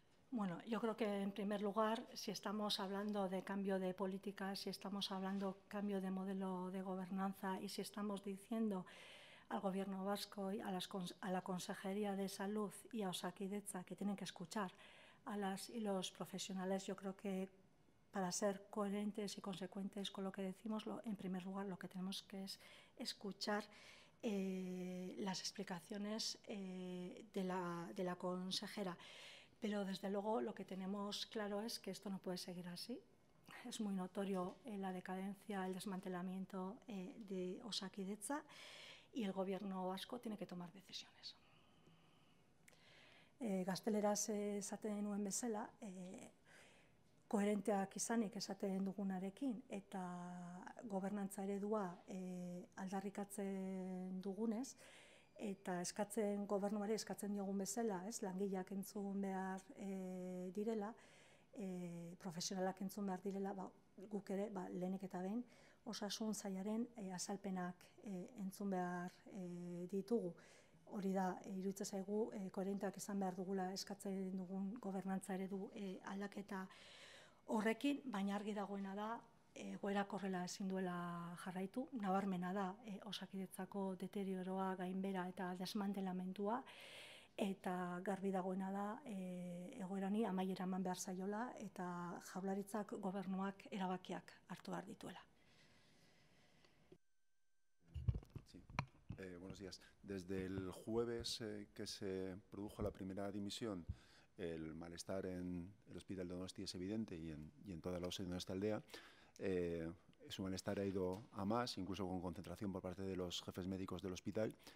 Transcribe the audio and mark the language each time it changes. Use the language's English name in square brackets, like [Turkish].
[Spanish] Bueno, yo creo que en primer lugar, si estamos hablando de cambio de política, si estamos hablando de cambio de modelo de gobernanza y si estamos diciendo al Gobierno vasco y a la Consejería de Salud y a Osakidetza, que tienen que escuchar a las y los profesionales, yo creo que para ser coherentes y consecuentes con lo que decimos, en primer lugar lo que tenemos que es escuchar las explicaciones de la consejera. Pero desde luego lo que tenemos claro es que esto no puede seguir así. Es muy notorio la decadencia, el desmantelamiento de Osakidetza. Y el Gobierno vasco tiene que tomar decisiones. [Basque] Gazteleraz esaten nuen bezala, koherenteak izanik esaten dugunarekin, eta gobernantza eredua aldarrikatzen dugunez, eta eskatzen gobernuari eskatzen diogun bezala, langileak entzun behar direla, profesionalak entzun behar direla, guk ere, lehenik eta behin, osasun zailaren azalpenak entzun behar ditugu. hori da, iruditzen zaigu, koherenteak izan behar dugula eskatzen dugun gobernantza eredu aldaketa horrekin, baina argi dagoena da, egoera korrela ezin duela jarraitu, nabarmena da Osakidetzako deterioroa, gainbera eta desmantelamentua, eta garbi dagoena da egoerani amaiera eman behar zaiola eta Jaurlaritzak gobernuak erabakiak hartu behar dituela. [Spanish] Buenos días. Desde el jueves que se produjo la primera dimisión, el malestar en el hospital de Donosti es evidente y en toda la OSE de nuestra aldea. Su malestar ha ido a más, incluso con concentración por parte de los jefes médicos del hospital.